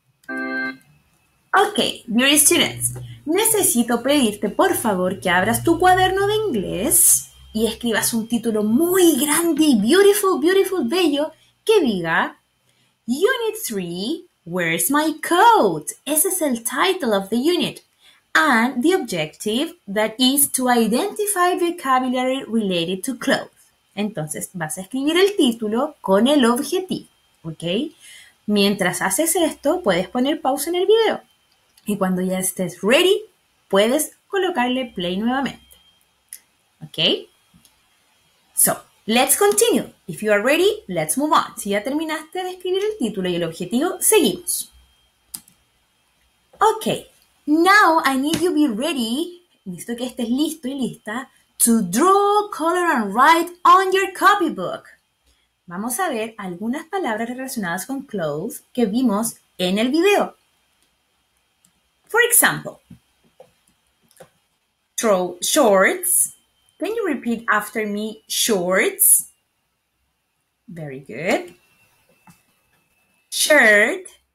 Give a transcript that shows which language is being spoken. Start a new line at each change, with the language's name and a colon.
English: Ok, dear students,
Spanish: necesito pedirte por favor que abras tu cuaderno de inglés y escribas un título muy grande y
English: beautiful, beautiful,
Spanish: bello que diga
English: Unit 3, Where's My Coat?
Spanish: Ese es el
English: title of the unit. And the objective that is to identify vocabulary related to clothes.
Spanish: Entonces, vas a escribir el título con el objetivo, ¿ok? Mientras haces esto, puedes poner pausa en el video. Y cuando ya estés
English: ready,
Spanish: puedes colocarle play nuevamente. ¿Ok?
English: So, let's continue. If you are ready, let's move on.
Spanish: Si ya terminaste de escribir el título y el objetivo, seguimos.
English: Ok. Now, I need you to be ready.
Spanish: Necesito que estés listo y lista.
English: To draw, color, and write on your copybook.
Spanish: Vamos a ver algunas palabras relacionadas con clothes que vimos en el video.
English: For example, shorts. Can you repeat after me, shorts? Very good. Shirt.